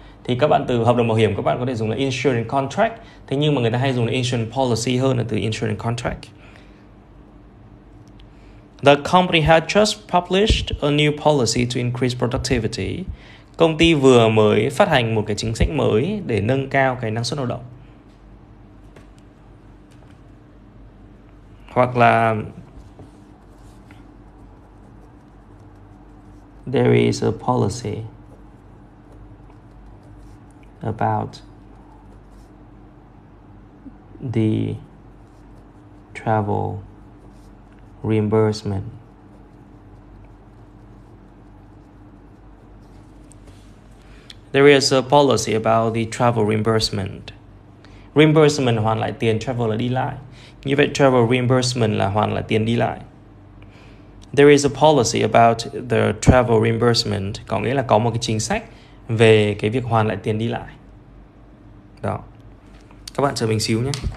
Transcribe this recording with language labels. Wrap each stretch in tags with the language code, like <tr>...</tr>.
<vi>Thì các bạn từ hợp đồng bảo hiểm các bạn có thể dùng là insurance contract, thế nhưng mà người ta hay dùng là insurance policy hơn là từ insurance contract.</vi> <en>The company had just published a new policy to increase productivity.</en> <vi>Công ty vừa mới phát hành một cái chính sách mới để nâng cao cái năng suất lao động. Hoặc là</vi> <en>there is a policy about the travel reimbursement. There is a policy about the travel reimbursement.</en> <vi>Reimbursement hoàn lại tiền, travel là đi lại. Như vậy travel reimbursement là hoàn lại tiền đi lại.</vi> <en>There is a policy about the travel reimbursement,</en> <vi>có nghĩa là có một cái chính sách về cái việc hoàn lại tiền đi lại. Đó. Các bạn chờ mình xíu nhé.</vi>